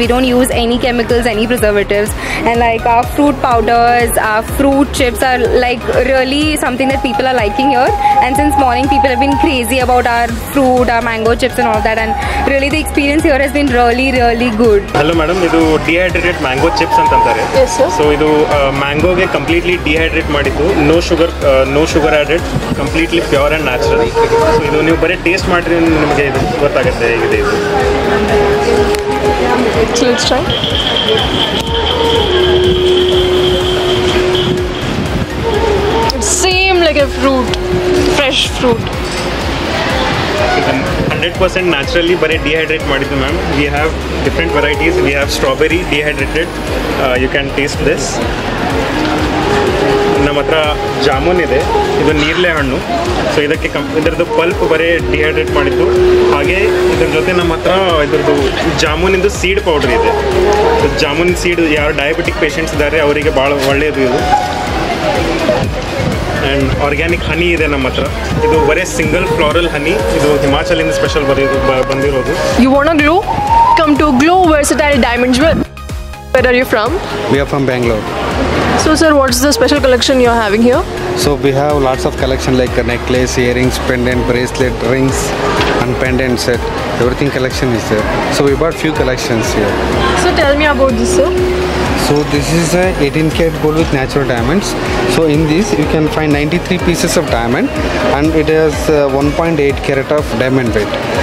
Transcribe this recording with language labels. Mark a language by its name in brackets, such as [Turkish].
[English] We don't use any chemicals, any preservatives and like our fruit powders, our fruit chips are like really something that people are liking here and since morning people have been crazy about our fruit, our mango chips and all that and really the experience here has been really, really good. Hello madam, this is dehydrated mango chips. Yes sir. So this mango is completely dehydrated. No sugar added, completely pure and natural. [Kannada] So ಇದು ನೀವು ಬರೀ taste ಮಾಡ್ರಿ ನಿಮಗೆ ಇದು ಗೊತ್ತಾಗುತ್ತೆ ಹೇಗಿದೆ ಇದು [English] same like a fruit fresh fruit 100% naturally [Kannada] bare dehydrate madidu [English] ma'am we have different varieties we have strawberry dehydrated you can taste this [Kannada] ನಮ್ಮತ್ರ ಜಾಮೂನ್ ಇದೆ ಇದು ನೀರ್ಲೆ ಹಣ್ಣು ಸೊ ಇದಕ್ಕೆ ಇದರದ್ದು ಪಲ್ಪ್ ಬರೀ ಡಿಹೈಡ್ರೇಟ್ ಮಾಡಿದ್ದು ಹಾಗೆ ಇದ್ರ ಜೊತೆ ನಮ್ಮ ಹತ್ರ ಇದರದ್ದು ಜಾಮೂನಿಂದು ಸೀಡ್ ಪೌಡರ್ ಇದೆ ಜಾಮೂನ್ ಸೀಡ್ ಯಾರು ಡಯಾಬಿಟಿಕ್ ಪೇಷಂಟ್ಸ್ ಇದ್ದಾರೆ ಅವರಿಗೆ ಭಾಳ ಒಳ್ಳೆಯದು ಇದು ಆ್ಯಂಡ್ ಆರ್ಗ್ಯಾನಿಕ್ ಹನಿ ಇದೆ ನಮ್ಮ ಹತ್ರ ಇದು ಬರೀ ಸಿಂಗಲ್ ಫ್ಲೋರಲ್ ಹನಿ ಇದು ಹಿಮಾಚಲಿಂದ ಸ್ಪೆಷಲ್ ಬಂದಿರೋದು [English] You want a glow come to glow versatile diamond jewel where are you from we are from Bengaluru So sir, what's the special collection you are having here? So we have lots of collection like necklace, earrings, pendant, bracelet, rings and pendant set. Everything collection is there. So we bought few collections here. So tell me about this sir. So this is a 18 karat gold with natural diamonds. So in this you can find 93 pieces of diamond and it has 1.8 karat of diamond weight.